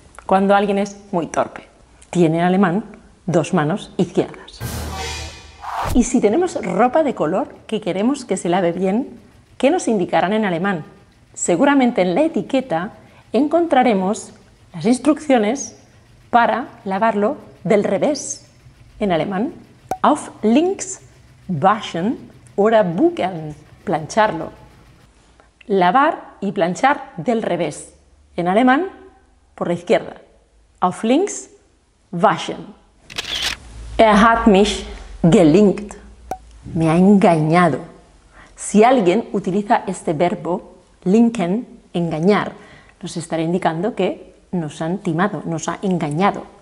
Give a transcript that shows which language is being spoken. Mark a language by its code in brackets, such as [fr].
[es] Cuando alguien es muy torpe. Tiene en alemán dos manos izquierdas. Y si tenemos ropa de color que queremos que se lave bien, ¿qué nos indicarán en alemán? Seguramente en la etiqueta encontraremos las instrucciones para lavarlo del revés. En alemán, [de] auf links waschen oder bügeln, [es] plancharlo. Lavar y planchar del revés. En alemán, por la izquierda. [de] Auf links waschen. Er hat mich gelinkt. [es] Me ha engañado. Si alguien utiliza este verbo, linken, engañar, nos estará indicando que nos han timado, nos ha engañado.